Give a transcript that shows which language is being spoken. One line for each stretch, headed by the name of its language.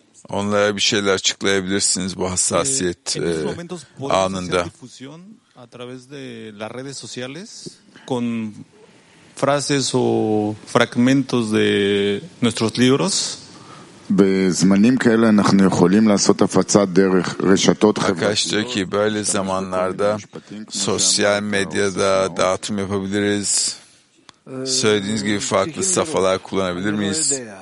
Turkish: Onlara bir şeyler açıklayabilirsiniz bu hassasiyet anında.
Spanish: A través de las redes sociales con frases o fragmentos de nuestros libros.
Hebrew: בזמנים כאלה אנחנו יכולים לעשות הפצה דרך רשתות חברתיות.
Turkish: Böyle zamanlarda sosyal medyada dağıtım yapabiliriz. Söylediğiniz gibi farklı safhalar kullanabilir miyiz?